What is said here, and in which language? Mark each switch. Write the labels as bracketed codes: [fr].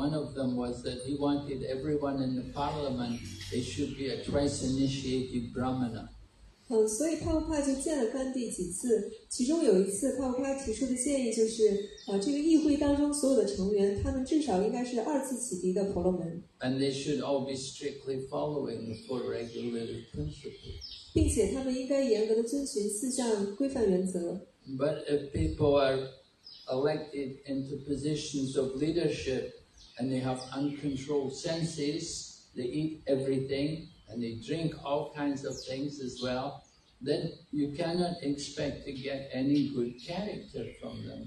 [en] One of them was that he wanted everyone in the parliament, they should be a twice initiated Brahmana. [zh] So Prabhupada 就见了甘地几次, 其中有一次, Prabhupada 提出的建议就是, 这个议会当中所有的成员, 他们至少应该是二次启迪的婆罗门。 [en] And they should all be strictly following the four regulative principles. [zh] 并且他们应该严格地遵循四项规范原则。 [en] But if people are elected into positions of leadership and they have uncontrolled senses, they eat everything and they drink all kinds of things as well, then you cannot expect to get any good character from them.